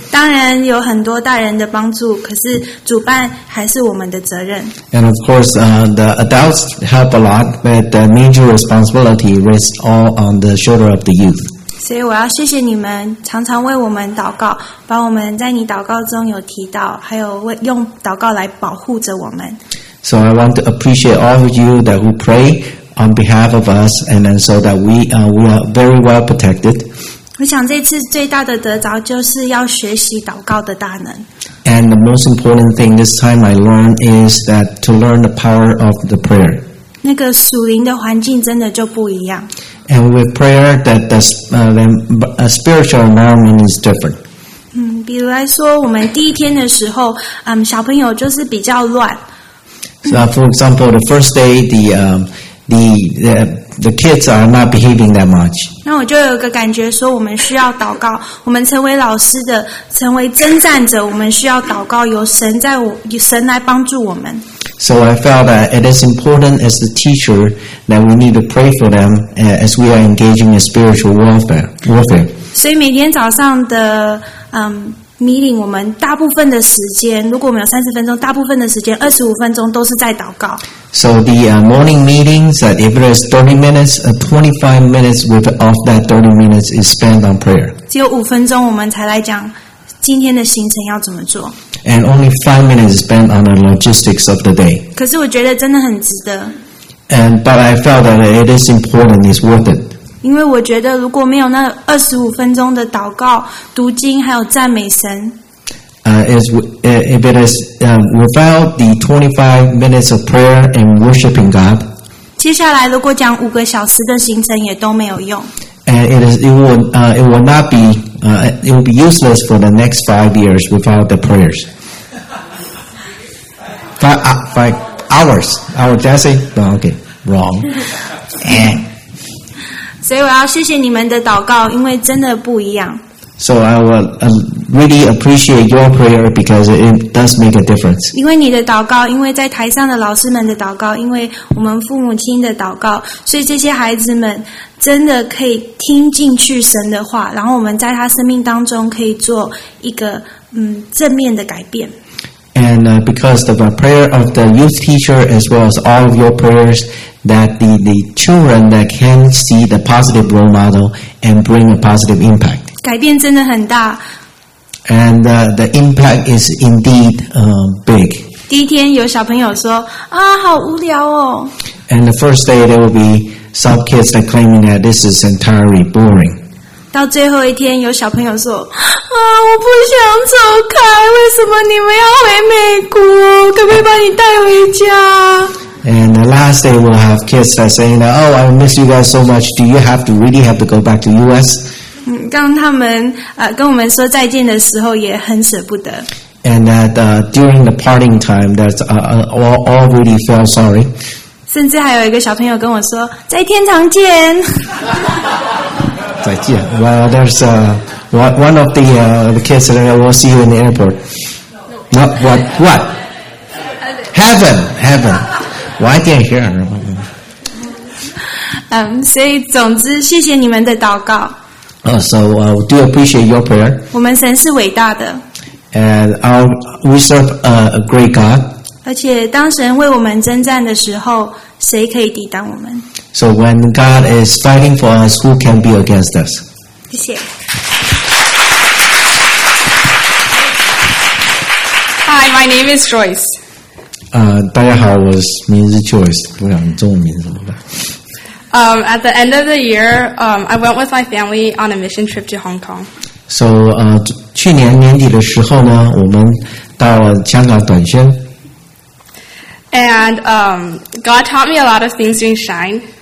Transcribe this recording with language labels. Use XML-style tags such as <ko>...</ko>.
<zh>当然有很多大人的帮助，可是主办还是我们的责任。</zh> <en>And of course, the adults help a lot, but the major responsibility rests all on the shoulder of the youth.</en> <zh>所以我要谢谢你们常常为我们祷告把我们在你祷告中有提到还有用祷告来保护着我们</zh> <en>So I want to appreciate all of you that who pray on behalf of us and then so that we are very well protected</en> <zh>我想这次最大的得着就是要学习祷告的大能</zh> <en>And the most important thing this time I learned is that to learn the power of the prayer</en> <zh>那个属灵的环境真的就不一样</zh> <en>And with prayer, that the spiritual environment is different.</en> <zh>比如来说，我们第一天的时候，小朋友就是比较乱。</zh> <en>So, for example, the first day, the kids are not behaving that much.</en> <zh>那我就有个感觉说，我们需要祷告。我们成为老师的，成为征战者，我们需要祷告，由神来帮助我们。</zh> <en>So I felt that it is important as the teacher that we need to pray for them as we are engaging in spiritual warfare.</en> <zh>所以每天早上的meeting 我们大部分的时间如果我们有30分钟大部分的时间25分钟都是在祷告。</zh> <en>So the morning meetings, if it is 30 minutes, 25 minutes of that 30 minutes is spent on prayer.</en> <zh>只有5分钟我们才来讲今天的行程要怎么做。</zh> <en>And only 5 minutes spent on the logistics of the day.</en> <zh>可是我觉得真的很值得。</zh> <en>But I felt that it is important, it's worth it.</en> <zh>因为我觉得如果没有那25分钟的祷告、读经还有赞美神。</zh> <en>If it is without the 25 minutes of prayer and worshiping God.</en> <zh>接下来如果讲5个小时的行程也都没有用。</zh> <en>It will be useless for the next 5 years without the prayers. Five hours. Did I say? No, okay. Wrong.</en> <zh>所以我要谢谢你们的祷告，因为真的不一样。</zh> <en>So I will really appreciate your prayer because it does make a difference.</en> <zh>因为你的祷告，因为在台上的老师们的祷告，因为我们父母亲的祷告，所以这些孩子们真的可以听进去神的话，然后我们在他生命当中可以做一个正面的改变。</zh> <en>And because of the prayer of the youth teacher as well as all of your prayers, that the children that can see the positive role model and bring a positive impact.</en> <zh>改变真的很大</zh> <en>，and the impact is indeed big.</en> <zh>第一天有小朋友说啊，好无聊哦。</zh> <en>And the first day there will be some kids that claiming that this is entirely boring.</en> <zh>到最后一天有小朋友说啊，我不想走开，为什么你们要回美国？可不可以把你带回家</zh> <en>？And the last day we'll have kids that saying that oh, I miss you guys so much. Do you have to really have to go back to U.S.?</en> <zh>当他们跟我们说再见的时候，也很舍不得。</zh> <en>And that during the parting time, that's all really felt sorry.</en> <zh>甚至还有一个小朋友跟我说：“在天堂见。” 再见。</zh> <en>Well, there's one of the kids that will see you in the airport. Not what? Heaven. Why didn't hear?</en> <zh>所以总之，谢谢你们的祷告。</zh> <en>So, do appreciate your prayer.</en> <zh>我们神是伟大的。</zh> <en>And we serve a great God.</en> <zh>而且当神为我们征战的时候，谁可以抵挡我们？</zh> <en>So when God is fighting for us, who can be against us?</en> <zh>谢谢。</zh> <en>Hi, my name is Joyce.</en> <zh>大家好，我名字 Joyce， 我想中文名字怎么办？</zh> <en>At the end of the year, I went with my family on a mission trip to Hong Kong.</en> <zh>So, 去年年底的时候呢，我们到了香港短宣。</zh> <en>And God taught me a lot of things during Shine.</en>